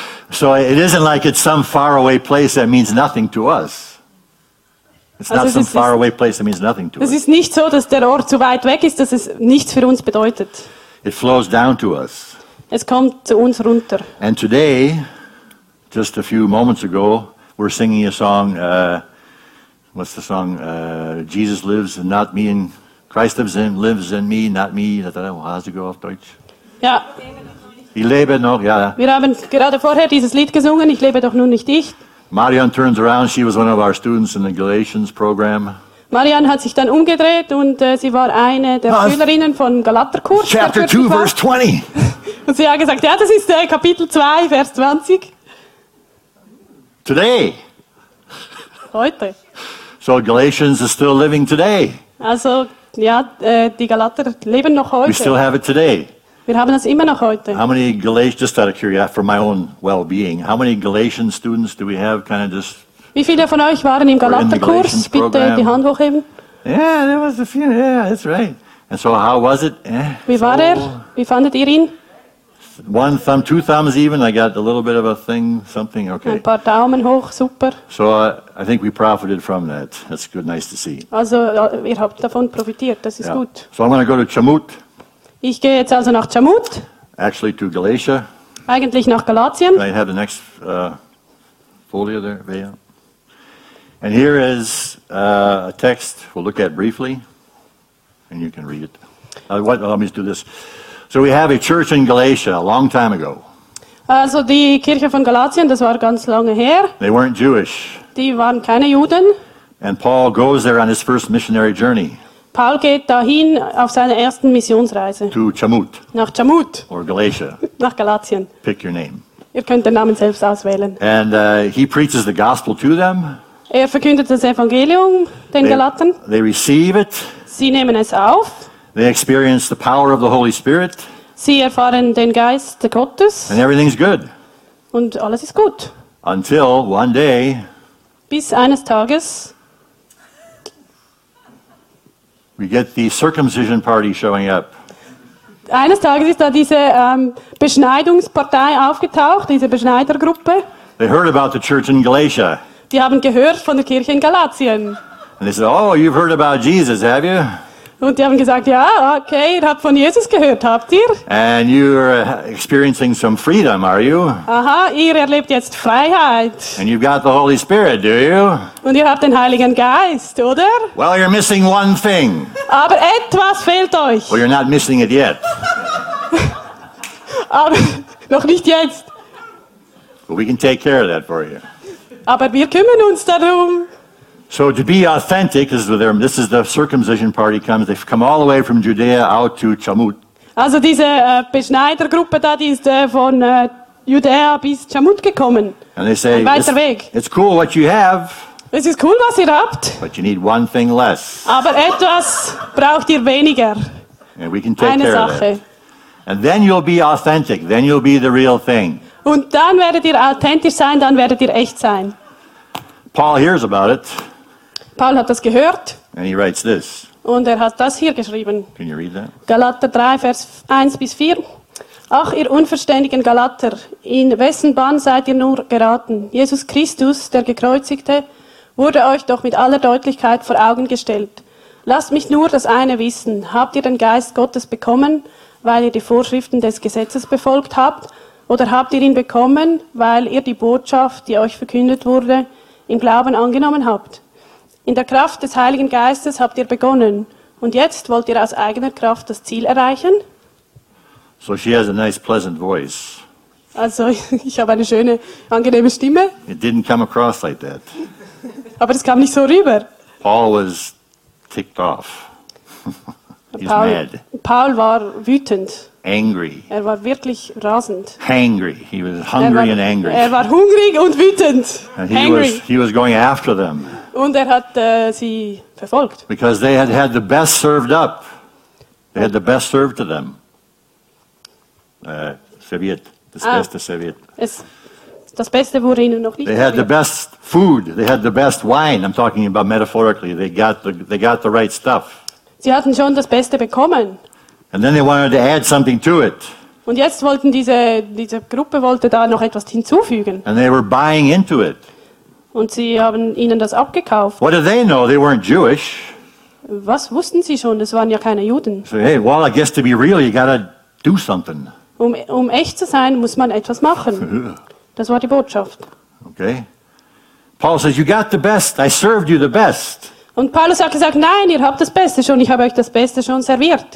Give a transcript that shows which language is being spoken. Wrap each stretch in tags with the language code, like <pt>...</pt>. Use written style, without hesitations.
<en>So it isn't like it's some faraway place that means nothing to us. It's not some faraway place that means nothing to us.</en> <de>Es ist nicht so, dass der Ort zu weit weg ist, dass es nichts für uns bedeutet.</de> <en>It flows down to us.</en> <de>Es kommt zu uns runter.</de> <en>And today, just a few moments ago, we're singing a song. What's the song? Jesus lives and not me and Christ lives in me, not me. How's it go</en> <de>auf Deutsch? Ja. Ich lebe noch, ja. Wir haben gerade vorher dieses Lied gesungen, Ich lebe doch nun nicht ich.</de> <en>Marianne turns around, she was one of our students in the Galatians program.</en> <de>Marianne hat sich dann umgedreht und sie war eine der Schülerinnen vom Galaterkurs.</de> <en>Chapter 2, verse 20.</en> <de>Und sie hat gesagt, ja, das ist Kapitel 2, Vers 20.</de> <en>Today.</en> <de>Heute.</de> <en>So Galatians is still living today.</en> <de>Also, ja, die Galater leben noch heute.</de> <en>We still have it today.</en> <de>Wir haben das immer noch heute.</de> <en>How many Galatians, just out of curiosity, for my own well-being, how many Galatian students do we have, kind of just...</en> <de>Wie viele von euch waren im Galaterkurs? Bitte die Hand hochheben.</de> <en>Yeah, there was a few. Yeah, that's right. And so how was it?</en> <de>Wie war er? Wie fandet ihr ihn?</de> <en>One thumb, two thumbs even. I got a little bit of a thing, something, okay.</en> <de>Ein paar Daumen hoch, super.</de> <en>So I think we profited from that. That's good, nice to see.</en> <de>Also, ihr habt davon profitiert, das ist gut.</de> <en>So I'm going to go to Chamut.</en> <de>Ich gehe jetzt also nach Chamut.</de> <en>Actually to Galatia.</en> <de>Eigentlich nach Galatien.</de> <en>Can I have the next folio there, yeah. And here is a text we'll look at briefly, and you can read it. Let me just do this. So we have a church in Galatia a long time ago.</en> <de>Also die Kirche von Galatien, das war ganz lange her.</de> <en>They weren't Jewish.</en> <de>Die waren keine Juden.</de> <en>And Paul goes there on his first missionary journey.</en> <de>Paul geht dahin auf seine ersten Missionsreise.</de> <en>To Chamut.</en> <de>Nach Chamut.</de> <en>Or Galatia.</en> <de>Nach Galatien.</de> <en>Pick your name.</en> <de>Ihr könnt den Namen selbst auswählen.</de> <en>And he preaches the gospel to them.</en> <de>Er verkündet das Evangelium den Galatern.</de> <en>They receive it.</en> <de>Sie nehmen es auf.</de> <en>They experience the power of the Holy Spirit.</en> <de>Sie erfahren den Geist Gottes.</de> <en>And everything's good.</en> <de>Und alles ist gut.</de> <en>Until one day.</en> <de>Bis eines Tages.</de> <en>We get the circumcision party showing up.</en> <de>Eines Tages ist da diese Beschneidungspartei aufgetaucht, diese Beschneidergruppe.</de> <en>They heard about the church in Galatia.</en> <de>Die haben gehört von der Kirche in Galatien.</de> <en>And they said, oh, you've heard about Jesus, have you?</en> <de>Und die haben gesagt, ja, okay, ihr habt von Jesus gehört, habt ihr?</de> <en>And you're experiencing some freedom, are you?</en> <de>Aha, ihr erlebt jetzt Freiheit.</de> <en>And you've got the Holy Spirit, do you?</en> <de>Und ihr habt den Heiligen Geist, oder?</de> <en>Well, you're missing one thing.</en> <de>Aber etwas fehlt euch.</de> <en>Well, you're not missing it yet.</en> <de>Aber noch nicht jetzt.</de> <en>But we can take care of that for you.</en> <de>Aber wir kümmern uns darum.</de> <en>So to be authentic, this is the circumcision party comes. They've come all the way from Judea out to Chamut.</en> <de>Also diese Beschneidergruppe da, die ist von Judea bis Chamut gekommen.</de> <en>And they say,</en> <de>ein weiter Weg.</de> <en>It's cool what you have.</en> <de>Es ist cool, was ihr habt.</de> <en>But you need one thing less.</en> <de>Aber etwas braucht ihr weniger.</de> <en>And we can take care of that. And then you'll be authentic. Then you'll be the real thing.</en> <de>Und dann werdet ihr authentisch sein, dann werdet ihr echt sein.</de> <en>Paul hears about it.</en> <de>Paul hat das gehört.</de> <en>And he writes this.</en> <de>Und er hat das hier geschrieben.</de> <en>Can you read that?</en> <de>Galater 3, Vers 1 bis 4. Ach, ihr unverständigen Galater, in wessen Bann seid ihr nur geraten? Jesus Christus, der Gekreuzigte, wurde euch doch mit aller Deutlichkeit vor Augen gestellt. Lasst mich nur das eine wissen. Habt ihr den Geist Gottes bekommen, weil ihr die Vorschriften des Gesetzes befolgt habt? Oder habt ihr ihn bekommen, weil ihr die Botschaft, die euch verkündet wurde, im Glauben angenommen habt? In der Kraft des Heiligen Geistes habt ihr begonnen. Und jetzt wollt ihr aus eigener Kraft das Ziel erreichen?</de> <en>So she has a nice, pleasant voice.</en> <de>Also, ich habe eine schöne, angenehme Stimme.</de> <en>It didn't come across like that.</en> <de>Aber es kam nicht so rüber.</de> <en>Paul was ticked off. He's mad.</en> <de>Paul war wütend.</de> <en>Angry.</en> <de>Er war wirklich rasend.</de> <en>Hangry. He was hungry and angry.</en> <de>Er war hungrig und wütend.</de> <en>And he was going after them.</en> <de>Und hat sie verfolgt.</de> <en>Because they had had the best served up. They had the best served to them.</en> <de>Serviert. Das beste serviert. Das Beste wurde ihnen noch nicht.</de> <en>They had the best food. They had the best wine. I'm talking about metaphorically. They got the right stuff.</en> <de>Sie hatten schon das Beste bekommen.</de> <en>And then they wanted to add something to it.</en> <de>Und jetzt wollten diese Gruppe wollte da noch etwas hinzufügen.</de> <en>And they were buying into it.</en> <de>Und sie haben ihnen das abgekauft.</de> <en>What did they know? They weren't Jewish.</en> <de>Was wussten sie schon? Das waren ja keine Juden.</de> <en>So, hey, well, I guess to be real, you gotta do something.</en> <de>Um echt zu sein, muss man etwas machen. Das war die Botschaft.</de> <en>Okay. Paul says, you got the best. I served you the best.</en> <de>Und Paulus hat gesagt, nein, ihr habt das Beste schon, ich habe euch das Beste schon serviert.</de>